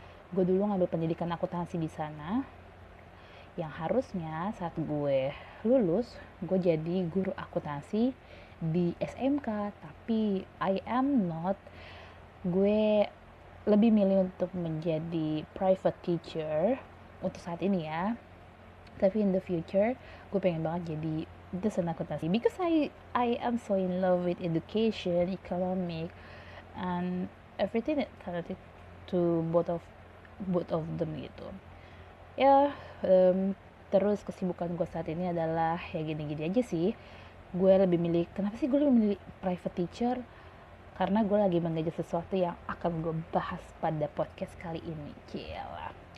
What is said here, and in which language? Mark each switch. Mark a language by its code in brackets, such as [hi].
[id] Gue dulu ngambil pendidikan akuntansi di sana. Yang harusnya saat gue lulus, gue jadi guru akuntansi di SMK. Tapi [en] I am not. [id] Gue lebih milih untuk menjadi private teacher untuk saat ini ya. Tapi [en] in the future, [id] gue pengen banget jadi dosen akuntansi. [en] Because I am so in love with education, economic, and everything that connected to both of them gitu. [id] Terus kesibukan gue saat ini adalah ya gini-gini aja sih. Kenapa sih gue lebih milih private teacher? Karena gue lagi mengejar sesuatu yang akan gue bahas pada podcast kali ini. Gila.